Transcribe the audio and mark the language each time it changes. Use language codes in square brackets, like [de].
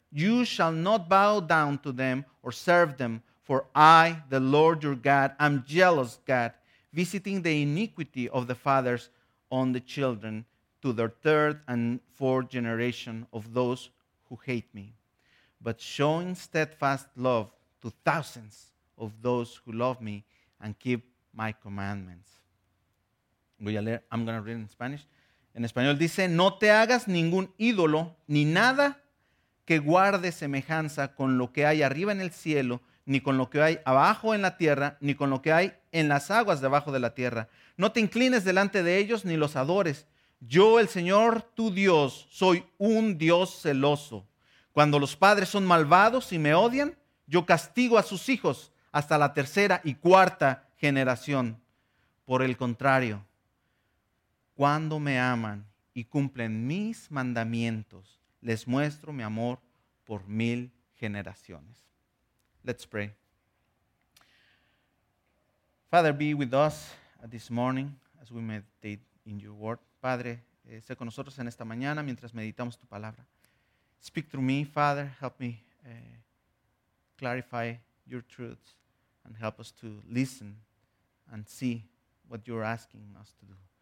[en] You shall not bow down to them or serve them, for I, the Lord your God, am jealous God, visiting the iniquity of the fathers on the children to their third and fourth generation of those who hate me, but showing steadfast love to thousands of those who love me and keep my commandments. I'm going to read in Spanish. [es] En español dice, no te hagas ningún ídolo ni nada que guarde semejanza con lo que hay arriba en el cielo, ni con lo que hay abajo en la tierra, ni con lo que hay en las aguas debajo de la tierra. No te inclines delante de ellos ni los adores. Yo, el Señor, tu Dios, soy un Dios celoso. Cuando los padres son malvados y me odian, yo castigo a sus hijos hasta la tercera y cuarta generación. Por el contrario, cuando me aman y cumplen mis mandamientos, les muestro mi amor por mil generaciones. [en] Let's pray. Father, be with us this morning as we meditate in your word. [es] Padre, sé con nosotros en esta mañana mientras meditamos tu palabra. [en] Speak through me, Father. Help me clarify your truths and help us to listen and see what you're asking us to do.